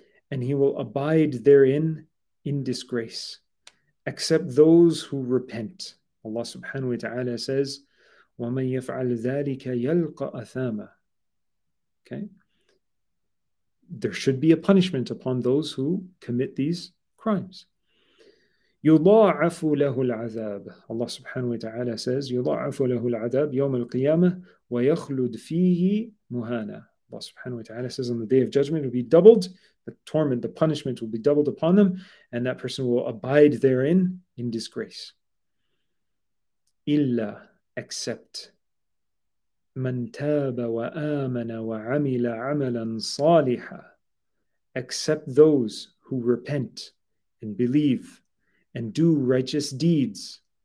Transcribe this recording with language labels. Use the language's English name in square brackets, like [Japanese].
[English] And he will abide therein in disgrace, except those who repent. Allah subhanahu wa ta'ala says, [Arabic] وَمَنْ يَفْعَلْ ذَٰلِكَ يَلْقَ أَثَامًا. [English] Okay? There should be a punishment upon those who commit these crimes. [Arabic] يُضَاعَفُ لَهُ الْعَذَابُ. Allah subhanahu wa ta'ala says, يُضَاعَفُ لَهُ الْعَذَابُ يَوْمَ الْقِيَامَةِ وَيَخْلُدْ فِيهِ مُهَانًا. [English] Allah subhanahu wa ta'ala says, on the day of judgment, it will be doubled. The torment, the punishment will be doubled upon them, and that person will abide therein in disgrace. Illa, except [Arabic] man taba wa amana wa amila amalan saliha, [English] except those who repent and believe and do righteous deeds.